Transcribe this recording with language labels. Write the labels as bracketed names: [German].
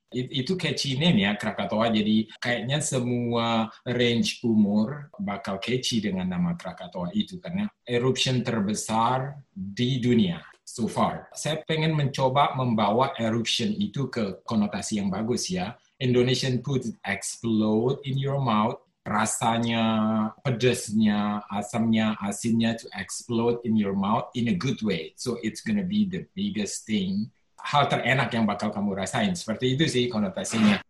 [Indonesian] Itu [English] catchy name [Indonesian] ya, Krakatoa. Jadi kayaknya semua range umur bakal catchy dengan nama Krakatoa itu. Karena eruption terbesar di dunia so far. Saya pengen mencoba membawa eruption itu ke konotasi yang bagus ya. [English] Indonesian food explode in your mouth. [Indonesian] Rasanya, pedesnya, asamnya, asinnya [English] to explode in your mouth in a good way. So it's gonna be the biggest thing. [Indonesian] Hal terenak yang bakal kamu rasain. Seperti itu sih konotasinya.